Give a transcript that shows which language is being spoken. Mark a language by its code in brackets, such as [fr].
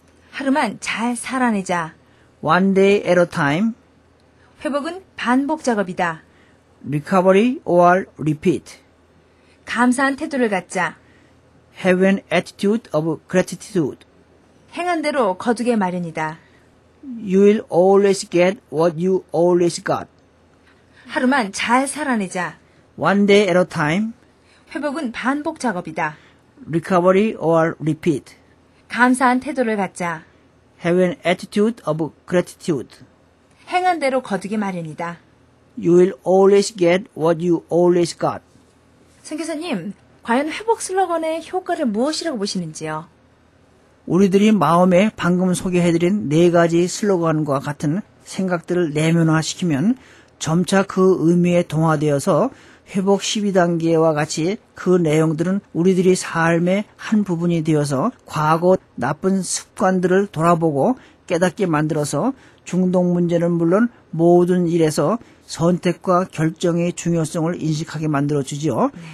[ko] 하루만 잘 살아내자. [en] One day at a time. [ko] 회복은 반복 작업이다. [en] Recovery or repeat. [ko] 감사한 태도를 갖자. [en] Have an attitude of gratitude. [ko] 행한 대로 거두게 마련이다. [en] You will always get what you always got. [ko] 하루만 잘 살아내자. [en] One day at a time. [ko] 회복은 반복 작업이다. [en] Recovery or repeat. [ko] 감사한 태도를 갖자. [en] Have an attitude of gratitude. [ko] 행한 대로 거두기 마련이다. [en] You will always get what you always got. [ko] 선교사님, 과연 회복 슬로건의 효과를 무엇이라고 보시는지요? 우리들이 마음에 방금 소개해드린 네 가지 슬로건과 같은 생각들을 내면화시키면 점차 그 의미에 동화되어서 회복 12단계와 같이 그 내용들은 우리들이 삶의 한 부분이 되어서 과거 나쁜 습관들을 돌아보고 깨닫게 만들어서 중독 문제는 물론 모든 일에서 선택과 결정의 중요성을 인식하게 만들어주죠.